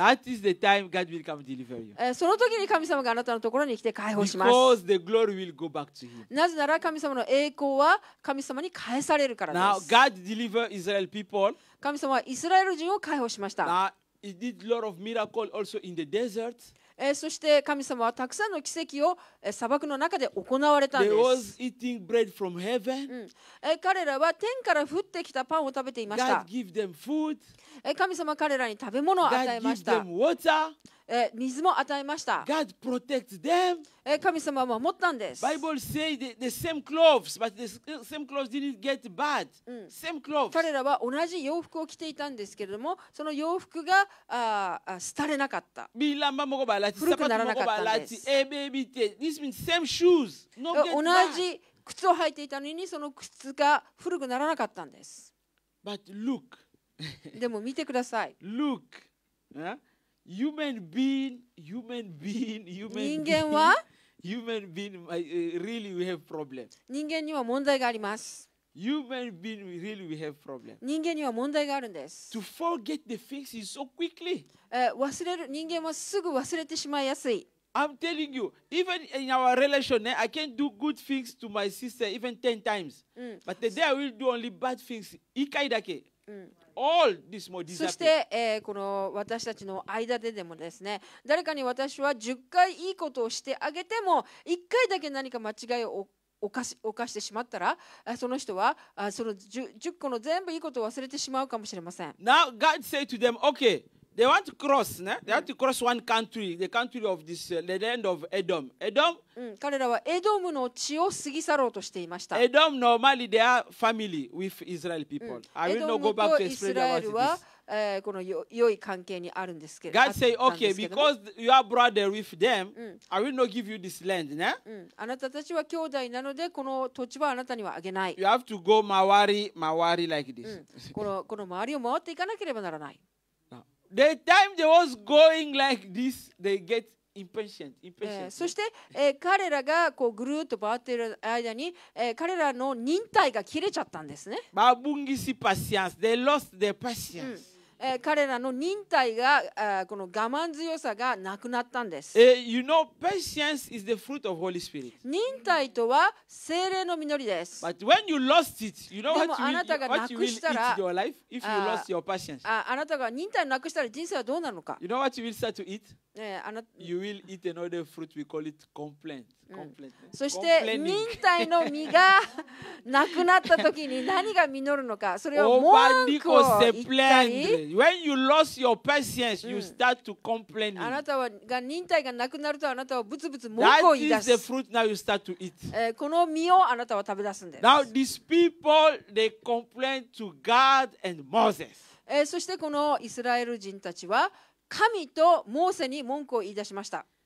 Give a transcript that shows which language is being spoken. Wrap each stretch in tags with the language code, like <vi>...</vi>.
<en>That is the time God will come deliver you.</en> <ja>その時に神様があなたのところに来て解放します。</ja> <en>Because the glory will go back to him.</en> <ja>なぜなら神様の栄光は神様に返されるからです。</ja> <en>Now God delivered Israel people.</en> <ja>神様はイスラエル人を解放しました。</ja> <en>Now he did a lot of miracle also in the desert.</en> <ja>そして神様はたくさんの奇跡を砂漠の中で行われたんです。</ja> <en>They was eating bread from heaven.</en> <ja>彼らは天から降ってきたパンを食べていました。</ja> <en>God give them food.</en> <ja>神様は彼らに食べ物を与えました。</ja> <en>God give them water.</en> <ja>水も与えました。</ja> <en>God protect them.</en> <ja>神様は守ったんです。</ja> <en>Bible say the same clothes, but the same clothes didn't get bad. Same clothes.</en> <ja>彼らは同じ洋服を着ていたんですけれども、その洋服が廃れなかった。ビーランバモコバラティ、古くならなかったんです。エベビテ、</ja> <en>This means same shoes, no get bad.</en> <ja>同じ靴を履いていたのにその靴が古くならなかったんです。</ja> <en>But look.</en> <ja>でも見てください。</ja> <en>Look. Human being, human being, human being.</en> <ja>人間は</ja> <en>Human being, really we have problem.</en> <ja>人間には問題があります。</ja> <en>Human being, really we have problem.</en> <ja>人間には問題があるんです。</ja> <en>To forget the things is so quickly.</en> <ja>忘れる、人間はすぐ忘れてしまいやすい。</ja> <en>I'm telling you, even in our relation, I can do good things to my sister even 10 times. But today I will do only bad things.</en> <ja>一回だけ。</ja> <en>All this more</en> <ja>そして、この私たちの間ででもですね、誰かに私は10回いいことをしてあげても1回だけ何か間違いを犯してしまったら、その人はその 10個の全部いいことを忘れてしまうかもしれません。</ja> <en>Now God said to them, okay, they want to cross, ne? They want to cross one country, the country of this, the land of Edom. Edom?、</en> <ja>彼らはエドムの地を過ぎ去ろうとしていました。</ja> <en>Edom normally they are family with Israel people.、I will not go back to explain about this.</en> <ja>この良い関係にあるんですけど、</ja> <en>God say, okay, because you are brother with them, I will not give you this land, ね。</en> <ja>あなたたちは兄弟なので、この土地はあなたにはあげない。</ja> <en>You have to go 回り like this.</en> <ja>この周りを回っていかなければならない。</ja> <en>The time they was going like this, they get impatient.</en> <ja>そして、彼らがこうぐるっと回っている間に、彼らの忍耐が切れちゃったんですね。バブンギシパシアンス、</ja> <en>they lost their patience.</en> <ja>彼らの忍耐が、この我慢強さがなくなったんです。</ja> <en>You know, patience is the fruit of Holy Spirit.</en> <ja>忍耐とは聖霊の実りです。</ja> <en>But when you lost it, you know what you will eat your life if you lost your patience.</en> <ja>あなたが忍耐をなくしたら人生はどうなのか。</ja> <en>You know what you will start to eat? You will eat another fruit. We call it complaint.</en> <ja>そして忍耐の実がなくなった時に何が実るのか、それは文句を言ったり。</ja> <en>When you lost your patience, you start to complain.</en> <ja>あなたが忍耐がなくなるとあなたはブツブツ文句を言い出す。</ja> <en>That is the fruit now you start to eat.</en> <ja>この実をあなたは食べ出すんです。</ja> <en>Now these people they complain to God and Moses.</en> <ja>そしてこのイスラエル人たちは神とモーセに文句を言い出しました。</ja>